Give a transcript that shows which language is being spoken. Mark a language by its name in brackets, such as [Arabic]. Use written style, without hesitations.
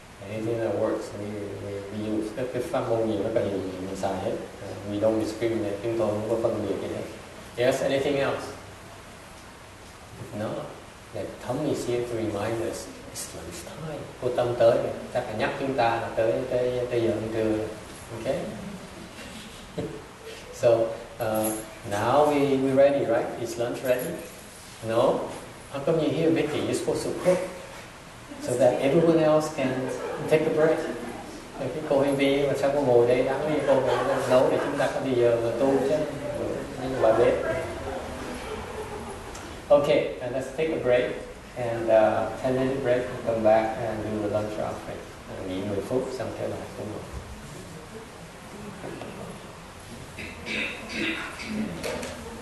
[English] Anything that works, we use. [Vietnamese] Các cái pháp môn gì nó cần gì mình xài hết. [English] We don't discriminate. [Vietnamese] Chúng tôi không có phân biệt gì hết. [English] Yes, anything else? If not, then come is here to remind us. It's lunch time. [Vietnamese] Cô Tâm tới, ta phải nhắc chúng ta là tới giờ ăn trưa. [English] Okay? So, now we ready, right? Is lunch ready? No? How come you're here, Vicky? You're supposed to cook. So that everyone else can take a break. [Vietnamese] Cái cô hình vi mà sao cô ngồi đây đáng đi cô nấu để chúng ta có bây giờ mà tu chứ. Nhưng mà biết. [English] Okay, and let's take a break. And 10 minute break, we'll come back and do the lunch offering. [Vietnamese] Nghỉ 10 phút xong trở lại cùng ngồi.